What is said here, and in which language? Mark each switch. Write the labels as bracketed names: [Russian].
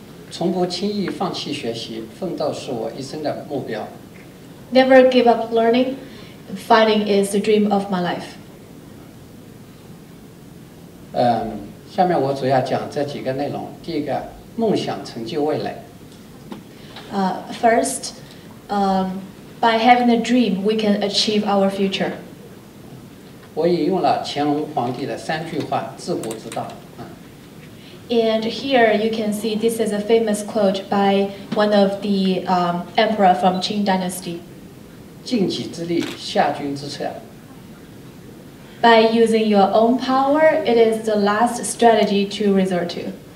[Chinese] 从不轻易放弃学习，奋斗是我一生的目标。 [English] Never give up learning. Fighting is the dream of my life. [Chinese] 下面我主要讲这几个内容。第一个，梦想成就未来。 [English] First, by having a dream, we can achieve our future. [Chinese] 我引用了乾隆皇帝的三句话，治国之道。 [English] And here you can see this is a famous quote by one of the emperor from Qing Dynasty. [Chinese] 尽己之力，下君之策。 [English] By using your own power, it is the last strategy to resort to.